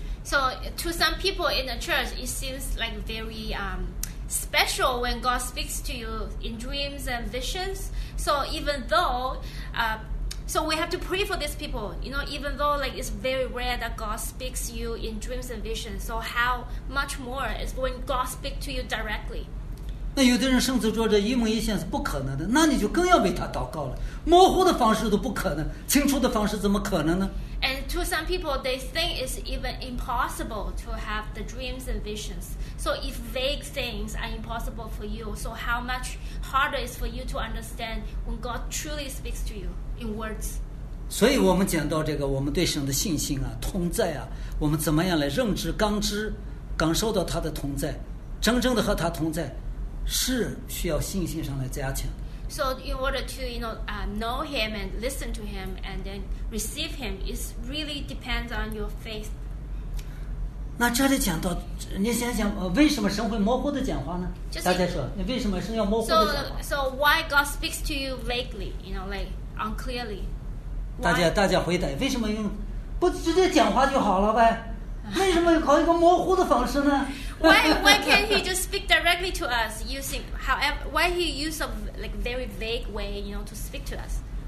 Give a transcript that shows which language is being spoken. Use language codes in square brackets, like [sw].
[en] ？So to some people in the church, it seems like very special when God speaks to you in dreams and visions. So even though, so we have to pray for these people. You know, even though like it's very rare that God speaks to you in dreams and visions. So how much more is when God speaks to you directly? [zh] 那有的人生子做着一梦一现是不可能的，那你就更要为他祷告了。模糊的方式都不可能，清楚的方式怎么可能呢 [en] ？And to some people, they think it's even impossible to have the dreams and visions. So if vague things are impossible for you, so how much harder is for you to understand when God truly speaks to you? In words. [zh] 所以我们讲到这个我们对神的信心啊，同在啊，我们怎么样来认知刚知感受到他的同在，真正的和他同在是需要信心上来加强。 [en] So in order to know him and listen to him and then receive him, it really depends on your faith. [zh] 那这里讲到你想想为什么神会模糊的讲话呢？ [en] Just, [zh] 大家说你为什么神要模糊的讲话？ [en] So why God speaks to you vaguely, you know, like unclearly. [zh] 大家回答，为什么用不直接讲话就好了呗？为什么要搞一个模糊的方式呢？ [en] Why can't he just speak directly to us using however? Why he use a like very vague way, you know, to speak to us?